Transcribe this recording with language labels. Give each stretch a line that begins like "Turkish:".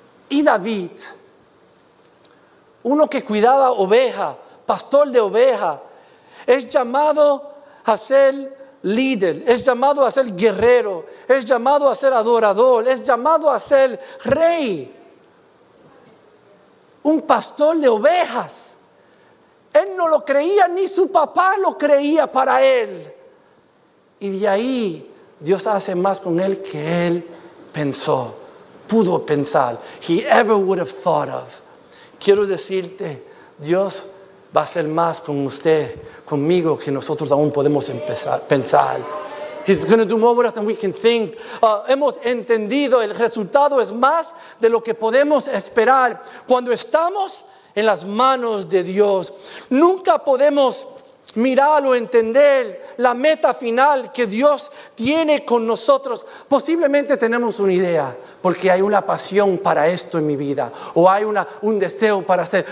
Spanish: Y David, uno que cuidaba oveja, pastor de oveja, es llamado a ser líder, es llamado a ser guerrero, es llamado a ser adorador, es llamado a ser rey. Un pastor de ovejas. Él no lo creía, ni su papá lo creía para él. Y de ahí Dios hace más con él que él pensó, pudo pensar.
English: He ever would have thought of.
Spanish: Quiero decirte, Dios va a hacer más con usted, conmigo, que nosotros aún podemos empezar pensar.
English: He's going to do more than we can think.
Spanish: Hemos entendido, el resultado es más de lo que podemos esperar. Cuando estamos en las manos de Dios, nunca podemos mirar o entender la meta final que Dios tiene con nosotros. Posiblemente tenemos una idea, porque hay una pasión para esto en mi vida, o hay un deseo para hacer.